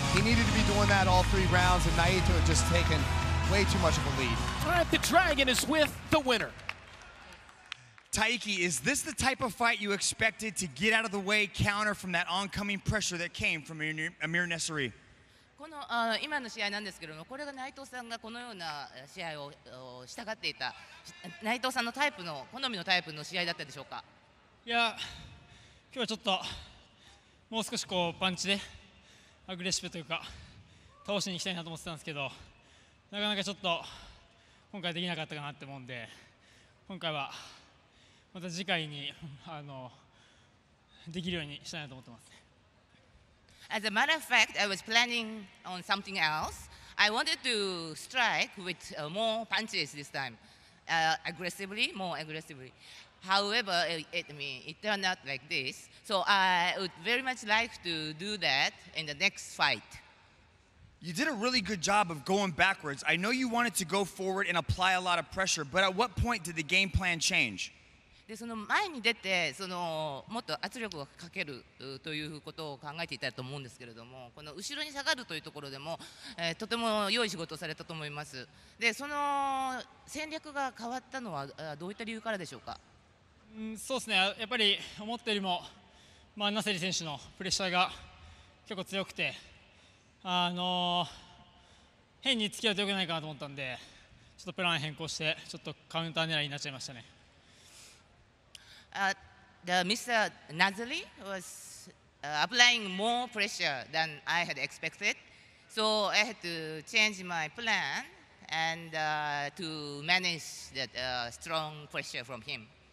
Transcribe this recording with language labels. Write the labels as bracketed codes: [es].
[en] He needed to be doing that all three rounds, and Naito had just taken way too much of a lead. Right, the Dragon is with the winner. Taiki, is this the type of fight you expected to get out of the way, counter from that oncoming pressure that came from Amir Naseri? [ja] この今の試合なんですけども、これが内藤さんがこのような試合をしたがっていた内藤さんのタイプの好みのタイプの試合だったでしょうか。いや、今日はちょっともう少しこうパンチでアグレッシブというか倒しに行きたいなと思ってたんですけど、なかなかちょっと今回できなかったかなって思うんで、今回はまた次回にできるようにしたいなと思ってます。 [en] As a matter of fact, I was planning on something else. I wanted to strike with more punches this time, more aggressively. However, it turned out like this. So I would very much like to do that in the next fight. You did a really good job of going backwards. I know you wanted to go forward and apply a lot of pressure, but at what point did the game plan change? [ja] でその前に出てそのもっと圧力をかけるということを考えていたと思うんですけれども、この後ろに下がるというところでも、とても良い仕事をされたと思います。でその戦略が変わったのはどういった理由からでしょうか。そうですね、やっぱり思ったよりも、まあ、ナセリ選手のプレッシャーが結構強くて、変に突き合うと良くないかなと思ったんで、ちょっとプラン変更してちょっとカウンター狙いになっちゃいましたね。 [en] Mr. Naseri was applying more pressure than I had expected, so I had to change my plan and to manage that strong pressure from him.